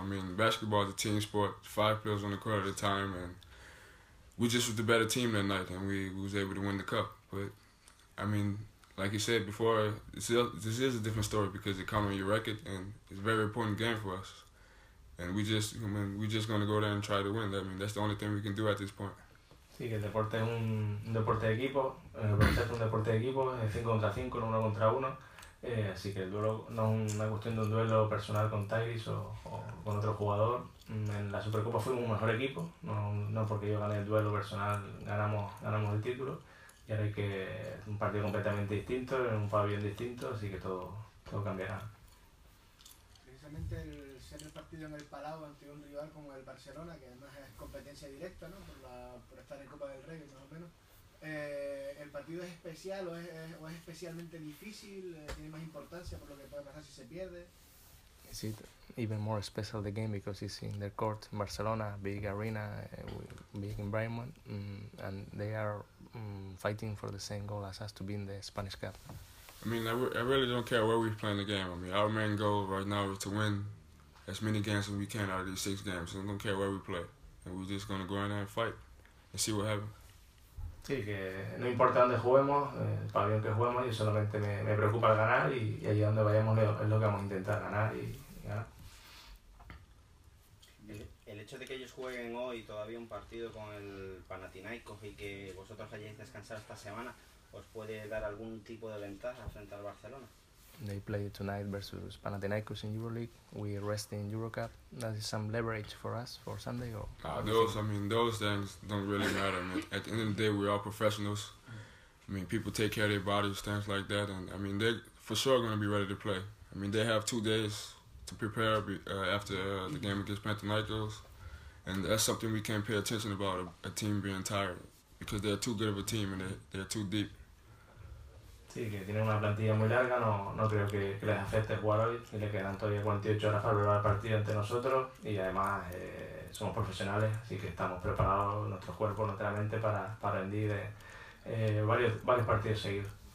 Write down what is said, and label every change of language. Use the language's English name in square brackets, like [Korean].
[English] I mean, basketball is a team sport, 5 players on the court at a time, and we just was the better team that night, and we was able to win the cup. But I mean, like you said before, this is a different story because it comes on your record, and it's a very important game for us. And we just gonna go there and try to win. I mean, that's the only thing we can do at this point. [Spanish] Sí, que el deporte es un deporte de equipo. Es un deporte de equipo, es 5 contra 5, no 1 contra 1. Así que el duelo no es una cuestión de un duelo personal con Tyrese o con otro jugador. En la Supercopa fuimos un mejor equipo, no porque yo gané el duelo personal, ganamos el título. Y ahora hay que un partido completamente distinto, en un pabellón distinto, así que todo cambiará. Precisamente ser el partido en el Palau ante un rival como el Barcelona, que además es competencia directa, ¿no? por estar en Copa del Rey, más o menos. ¿El partido es especial o es especialmente difícil? ¿Tiene más importancia por lo que puede pasar si se pierde? [English] Is it even more special the game because it's in the court in Barcelona, big arena, big environment, and they are fighting for the same goal as us to be in the Spanish Cup? I mean, I really don't care where we're playing the game. I mean, our main goal right now is to win as many games as we can out of these 6 games. So I don't care where we play. And we're just going to go in there and fight and see what happens. [Spanish] Sí, que no importa dónde juguemos, el pabellón que juguemos, yo solamente me preocupa el ganar y ahí donde vayamos es lo que vamos a intentar ganar y ganar. El hecho de que ellos jueguen hoy todavía un partido con el Panathinaikos y que vosotros hayáis descansado esta semana, ¿os puede dar algún tipo de ventaja frente al Barcelona? [English] They play tonight versus Panathinaikos in EuroLeague. We rest in EuroCup. That is some leverage for us for Sunday. Or those things don't really matter. Man. At the end of the day, we are professionals. I mean, people take care of their bodies, things like that. And I mean, they for sure going to be ready to play. I mean, they have 2 days to prepare after the game against Panathinaikos, and that's something we can't pay attention about a team being tired because they're too good of a team and they're too deep. [Spanish] Sí, que tienen una plantilla muy larga, no creo que les afecte jugar hoy, y le quedan todavía 48 horas para preparar el partido ante nosotros, y además somos profesionales, así que estamos preparados nuestros cuerpos, nuestra mente, para rendir varios partidos seguidos.